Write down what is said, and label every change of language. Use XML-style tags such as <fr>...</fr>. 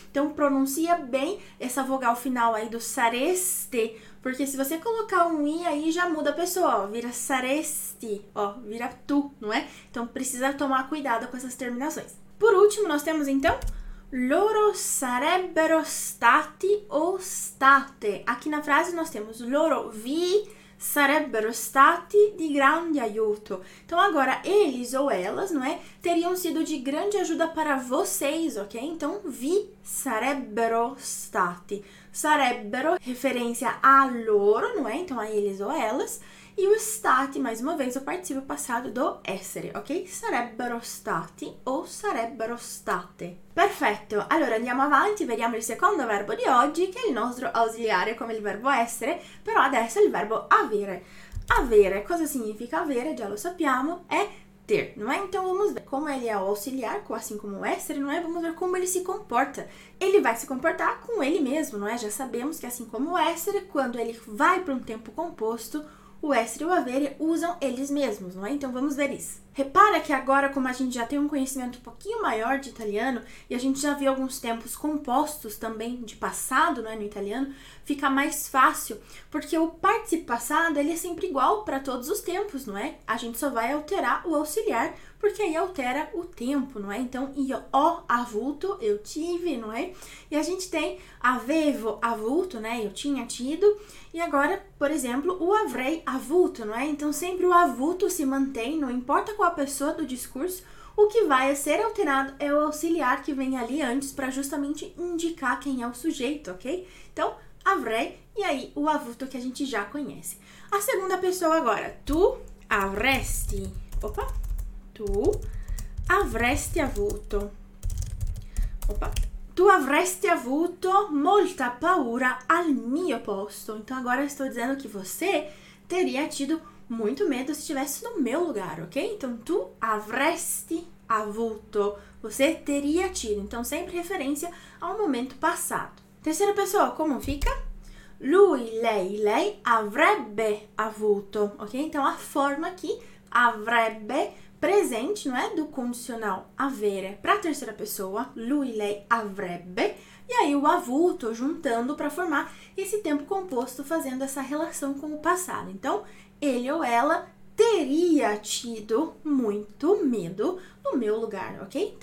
<pt>Então, pronuncia bem essa vogal final aí do sareste, porque se você colocar um i aí, já muda a pessoa, ó, vira saresti, ó, vira tu, não é? Então, precisa tomar cuidado com essas terminações. Por último, nós temos então</pt> <it>loro sarebbero stati o state.</it> <pt>Aqui na frase nós temos</pt> <it>loro vi sarebbero stati di grande aiuto.</it> <pt>Então agora eles ou elas, não é? Teriam sido de grande ajuda para vocês, ok?</pt> <it>Então vi sarebbero stati.</it> <pt>Sarebbero, referência a loro, não é? Então a eles ou elas. E o stati, mais uma vez, o participio passado do essere, ok?</pt> <it>Sarebbero stati o sarebbero state. Perfetto! Allora andiamo avanti, vediamo il secondo verbo di oggi, che è il nostro ausiliare come il verbo essere, però adesso è il verbo avere. Avere, cosa significa avere? Già lo sappiamo, è ter, non è?</it> <pt>Então vamos ver come ele é ausiliar, assim como essere, não é? Vamos ver como ele se comporta. Ele vai se comportar com ele mesmo, não é? Já sabemos que assim como essere, quando ele vai para um tempo composto, o essere e o avere usam eles mesmos, não é? Então vamos ver isso. Repara que agora, como a gente já tem um conhecimento um pouquinho maior de italiano e a gente já viu alguns tempos compostos também de passado, não é, no italiano, fica mais fácil, porque o participio passado ele é sempre igual para todos os tempos, não é? A gente só vai alterar o auxiliar, porque aí altera o tempo, não é? Então,</pt> <it>io ho avuto,</it> <pt>eu tive, não é? E a gente tem avevo, avuto, né? Eu tinha tido. E agora, por exemplo, o</pt> <it>avrei avuto,</it> <pt>não é? Então, sempre o avuto se mantém, não importa qual a pessoa do discurso, o que vai ser alterado é o auxiliar que vem ali antes para justamente indicar quem é o sujeito, ok? Então, avrei e aí o avuto que a gente já conhece. A segunda pessoa agora,</pt> <it>tu avresti, opa, tu avresti avuto, opa, tu avresti avuto molta paura al mio posto.</it> <pt>Então, agora estou dizendo que você teria tido muito medo se estivesse no meu lugar, ok? Então,</pt> <it>tu avresti avuto.</it> <pt>Você teria tido. Então, sempre referência ao momento passado. Terceira pessoa, como fica?</pt> <it>Lui, lei avrebbe avuto, ok?</it> <pt>Então, a forma aqui, avrebbe, presente, não é? Do condicional avere para a terceira pessoa.</pt> <it>Lui, lei avrebbe.</it> <pt>E aí, o avuto juntando para formar esse tempo composto, fazendo essa relação com o passado. Então, ele ou ela teria tido muito medo no meu lugar, ok?</pt>